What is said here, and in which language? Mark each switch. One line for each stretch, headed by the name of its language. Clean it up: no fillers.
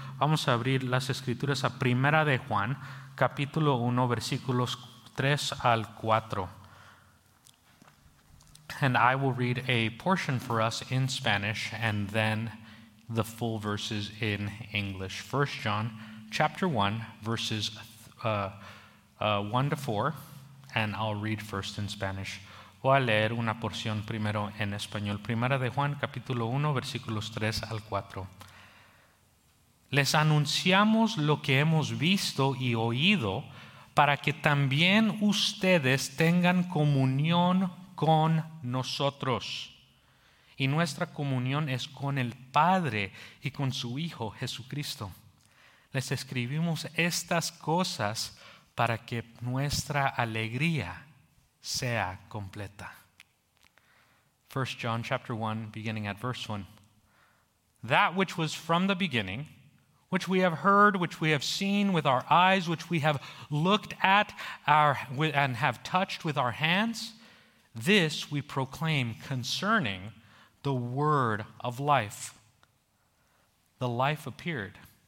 Spanish: Vamos a abrir las escrituras a Primera de Juan, capítulo 1, versículos 3 al 4.
English: And I will read a portion for us in Spanish and then the full verses in English. 1 John chapter 1, verses 1 to 4, and I'll read first in Spanish.
Spanish: Voy a leer una porción primero en español. Primera de Juan, capítulo 1, versículos 3 al 4. Les anunciamos lo que hemos visto y oído para que también ustedes tengan comunión con nosotros. Y nuestra comunión es con el Padre y con su Hijo Jesucristo. Les escribimos estas cosas para que nuestra alegría sea completa.
English: 1 John chapter 1, beginning at verse 1. That which was from the beginning, which we have heard, which we have seen with our eyes, which we have looked at and have touched with our hands, this we proclaim concerning the word of life. The life appeared.